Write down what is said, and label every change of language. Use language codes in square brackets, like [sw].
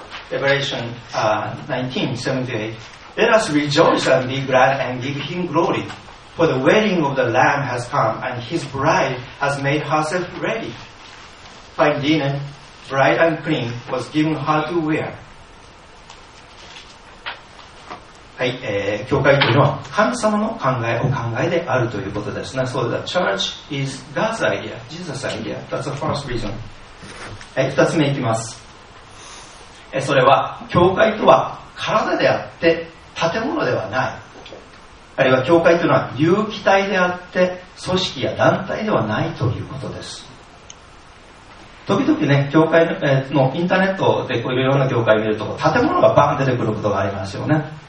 [en] Revelation 19:78,Let us rejoice and be glad and give him glory. For the wedding of the Lamb has come, and his bride has made herself ready. Fine linen, bright and clean, was given her to wear. [ja] はい、教会というのは神様の考えお考えであるということですね。 [en] So the church is God's idea, Jesus' idea. That's the first reason. [ja] はい、二つ目いきます。それは、教会とは体であって、建物ではない、あるいは教会というのは有機体であって組織や団体ではないということです。時々ね、教会 のインターネットでこういういろんな教会を見ると建物がバーン出てくることがありますよね。